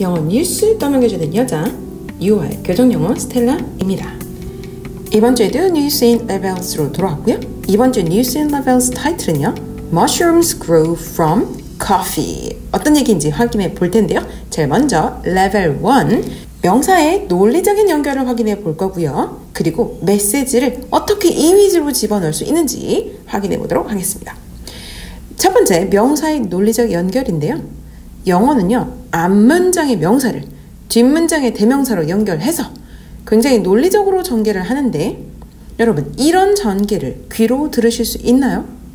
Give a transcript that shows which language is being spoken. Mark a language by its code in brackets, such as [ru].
[ko] 영어 뉴스 떠넘겨주는 여자 UR 교정영어 스텔라입니다. 이번 주에도 뉴스 인 레벨스로 돌아왔고요. 이번 주 뉴스 인 레벨스 타이틀은요. [en] Mushrooms grow from coffee. [ko] 어떤 얘기인지 확인해 볼 텐데요. 제일 먼저 레벨 1 명사의 논리적인 연결을 확인해 볼 거고요. 그리고 메시지를 어떻게 이미지로 집어넣을 수 있는지 확인해 보도록 하겠습니다. 첫 번째, 명사의 논리적 연결인데요. 영어는요, 앞문장의 명사를 뒷문장의 대명사로 연결해서 굉장히 논리적으로 전개를 하는데 여러분, 이런 전개를 귀로 들으실 수 있나요?